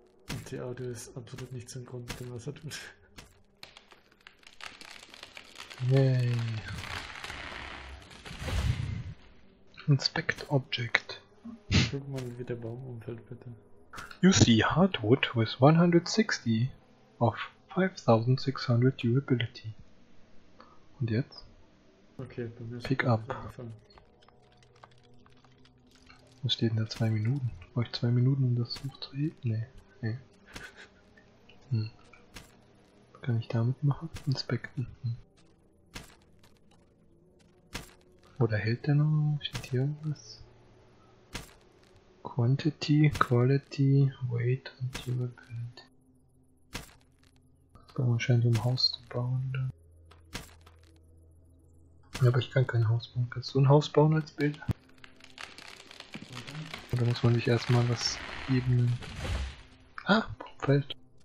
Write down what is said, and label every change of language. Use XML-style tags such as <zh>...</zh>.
<de>Und die Audio ist absolut nicht synchron mit dem, was er tut. Yay.</de> <en>Inspect Object.</en> <de>Guck mal, wie der Baum umfällt, bitte.</de> <en>You see hardwood with 160 of 5600 durability.</en> <de>Und jetzt? Okay, dann ist</de> <en>Pick up.</en> <de>Was steht denn da 2 Minuten? Brauche ich 2 Minuten, um das hochzuheben? Nee, nee. Kann ich damit machen? Inspecten. Oder hält der noch? Steht hier irgendwas?</de> <en>Quantity, Quality, Weight und Durability.</en> <de>Das Baum scheint ein Haus zu bauen. Oder? Ja, aber ich kann kein Haus bauen. Kannst du ein Haus bauen als Bild? Oder muss man sich erstmal was ebnen? Ah, Baumfeld.</de>